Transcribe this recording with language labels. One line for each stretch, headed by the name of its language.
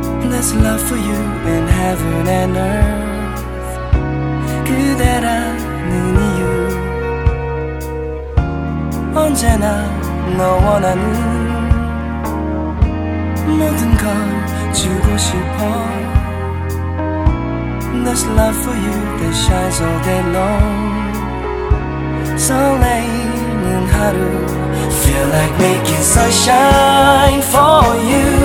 English: There's love for you in heaven and earth.
Korean: 그대라는 이유 언제나 너 원하는 모든 걸 주고 싶어.
English: There's love for you that shines all day long.
Korean: 설레이는 하루
English: feel like making sunshine for you.